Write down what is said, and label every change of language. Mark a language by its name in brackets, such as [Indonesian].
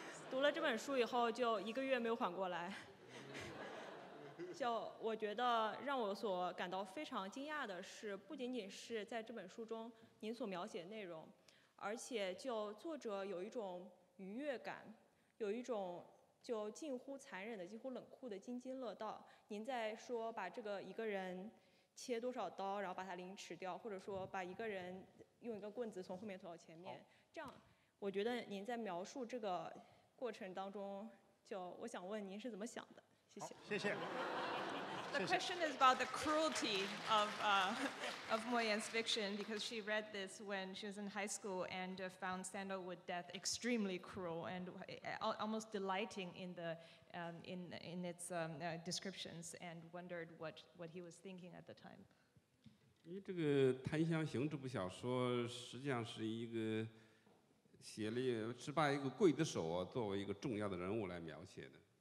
[Chinese] 读了这本书以后，就一个月没有缓过来。就我觉得让我所感到非常惊讶的是，不仅仅是在这本书中您所描写的内容，而且就作者有一种愉悦感，有一种就近乎残忍的、近乎冷酷的津津乐道。您在说把这个一个人切多少刀，然后把他凌迟掉，或者说把一个人用一个棍子从后面推到前面，这样，我觉得您在描述这个过程当中，就我想问您是怎么想的？谢谢。谢谢。 [English] The question is about the cruelty of Mo Yan's fiction because she read this when she was in high school and found sandalwood death extremely cruel and almost delighting in the in its descriptions and wondered what he was thinking at the time. [Chinese] 因为这个《檀香刑》这部小说实际上是一个写了是把一个刽子手作为一个重要的人物来描写的。